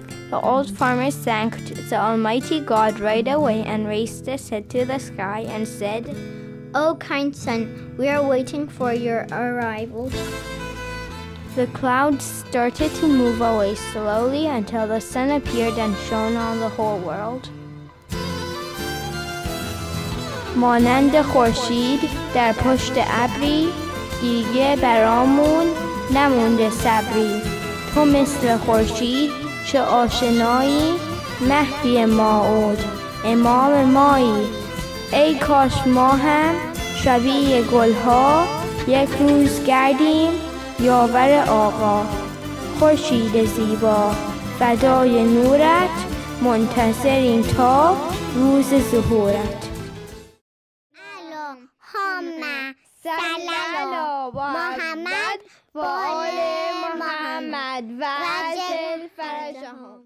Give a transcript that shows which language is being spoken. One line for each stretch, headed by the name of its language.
English: The old farmer thanked the Almighty God right away and raised his head to the sky and said, "Oh, kind sun, we are waiting for your arrival." The clouds started to move away slowly until the sun appeared and shone on the whole world.
Persian: مانند خورشید در پشت ابری دیگه برامون نمونده صبری تو مثل خورشید چه آشنایی مهدی ماعود امام مایی ای کاش ما هم شبیه گلها یک روز گردیم یاور آقا خورشید زیبا فدای نورت منتظریم تا روز ظهورت
Arabic: اللهم صل على محمد و آل محمد و اجل فرجهم.